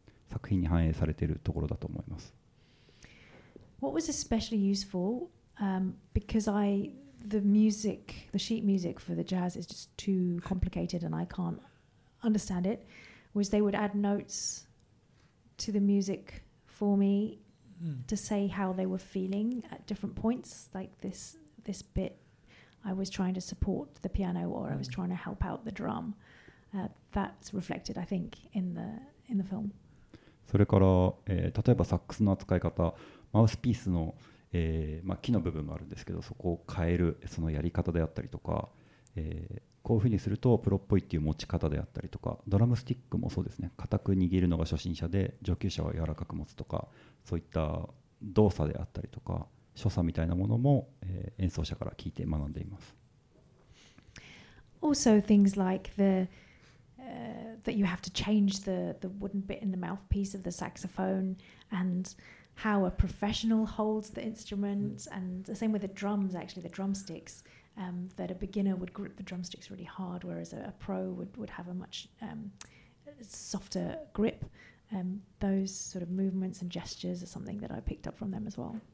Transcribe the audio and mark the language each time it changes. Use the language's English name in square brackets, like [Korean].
[Japanese] 作品に反映されているところだと思います。 [English] What was especially useful、because I the music the sheet music for the jazz is just too complicated and I can't understand it was they would add notes to the music for me to say how they were feeling at different points like this bit I was trying to support the piano or I was trying to help out the drum、that's reflected I think in the film [Japanese] それから、例えばサックスの扱い方マウスピースの、木の部分があるんですけどそこを変えるそのやり方であったりとか、こういうふうにするとプロっぽいっていう持ち方であったりとかドラムスティックもそうですね固く握るのが初心者で上級者は柔らかく持つとかそういった動作であったりとか所作みたいなものも、演奏者から聞いて学んでいます。 [English] Also things like the、that you have to change the wooden bit in the mouthpiece of the saxophone and how a professional holds the instrument、mm. and the same with the drums actually the drumsticks、that a beginner would grip the drumsticks really hard whereas a pro would have a much、softer grip、those sort of movements and gestures are something that I picked up from them as well.、